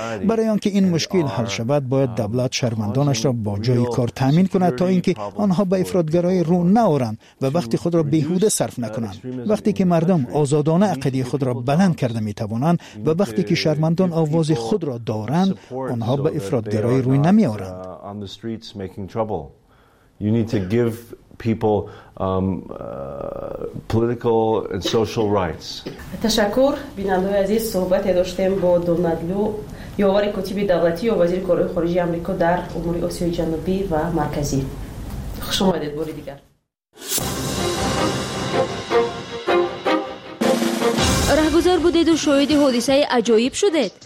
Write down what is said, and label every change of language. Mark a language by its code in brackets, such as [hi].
[fa] برای آنکه این مشکل حل شود باید دولت شهروندانش را با جای کار تامین کند تا اینکه آنها به افراط‌گرایی رو نآورند و وقت خود را بیهوده صرف نکنند. وقتی که مردم آزادانه عقیده خود را بلند کرده می توانند و وقتی که شهروندان آواز خود را دارند آنها به افراط‌گرایی روی نمی آورند. [en] You need to give people political and social rights. [fa] تشکر بیننده عزیز، صحبت داشتیم با دونالدو یاور کتیب دولتی و وزیر کارهای خارجی آمریکا در امور آسیای جنوبی و مرکزی. خوش آمدید بار دیگر. رهگذار بودید و شاهد حادثه عجایب شدید.